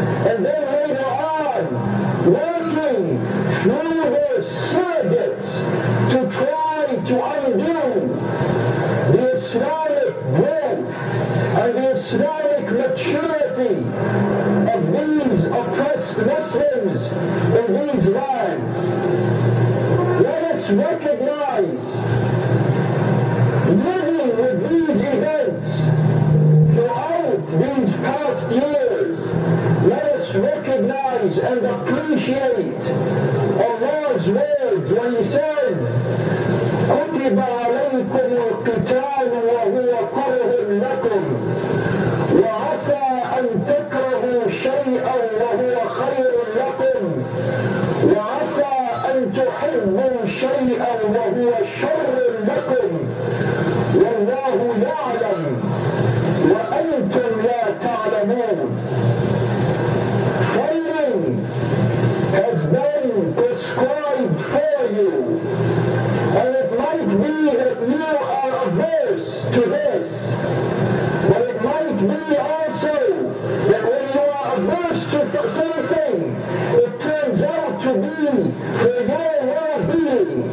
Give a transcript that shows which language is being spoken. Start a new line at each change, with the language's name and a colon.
English: And then later on, working through their surrogates to try to undo the Islamic growth and the Islamic maturity of these oppressed Muslims in these lands. Let us recognize, living with these events throughout these past years, let us recognize and appreciate Allah's words when He says,
Arabic: كُتِبَ عَلَيْكُمُ الْقِتَالُ وَهُوَ كُرْهٌ لَكُمْ وَعَسَى أَنْ تَكْرَهُوا شَيْئًا وَهُوَ خَيْرٌ لَكُمْ وَعَسَى أَنْ تُحِبُّوا شَيْئًا وَهُوَ شَرٌّ لَكُمْ وَاللَّهُ يَعْلَمُ وَأَنْتُمْ لَا تَعْلَمُونَ.
English: Fighting has been prescribed for you, and it might be that you are averse to this, but it might be also that when you are averse to something, it turns out to be for your well-being.